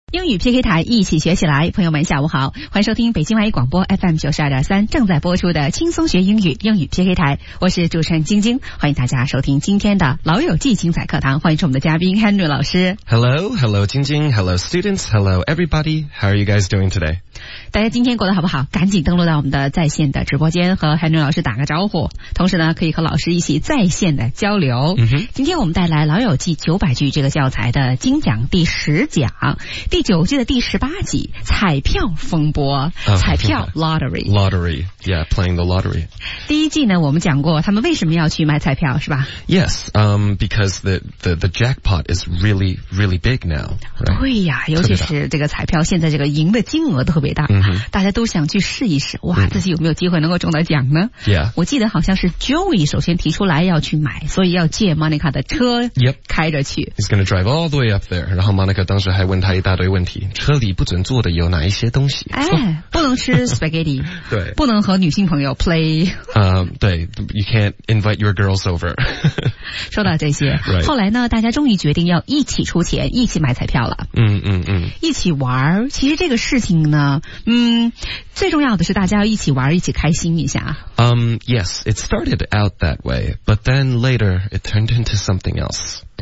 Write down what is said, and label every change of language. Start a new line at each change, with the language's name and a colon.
Chinese: 英语 PK 台一起学起来，朋友们下午好，欢迎收听北京外语广播 FM92.3 正在播出的轻松学英语英语 PK 台，我是主持人晶晶，欢迎大家收听今天的老友记精彩课堂，欢迎出我们的嘉宾 Henry 老师。
English: Hello, hello 晶晶, hello students, hello everybody, how are you guys doing today?
Chinese: 大家今天过得好不好？赶紧登录到我们的在线的直播间和 Henry 老师打个招呼，同时呢可以和老师一起在线的交流。 Mm-hmm. 今天我们带来老友记900句这个教材的精讲第十讲，第九季的第十八集，彩票风波，彩票 lottery,
English: lottery, yeah, playing the lottery.
Chinese: 第一季呢，我们讲过他们为什么要去买彩票，是吧
English: ？Yes, because the jackpot is really really big now.、Right?
Chinese: 对呀，尤其是这个彩票，现在这个赢的金额特别大， mm-hmm. 大家都想去试一试，哇， mm-hmm. 自己有没有机会能够中到奖呢？Yeah, 我记得好像是 Joey 首先提出来要去买，所以要借 Monica 的车， yep. 开着去。
English: He's gonna drive all the way up there.
Chinese: 然后 Monica 当时还问他一大堆。问题，车里不准坐的有哪一些东西？哎，不能吃 spaghetti，对，不能和女性朋友 play。
English: 对 ，you can't invite your girls over 。
Chinese: 说到这些， right. 后来呢，大家终于决定要一起出钱，一起买彩票了。嗯嗯嗯，一起玩。其实这个事情呢，最重要的是大家要一起玩，一起开心一下。
English: Yes, it started out that way, but then later it turned into something else.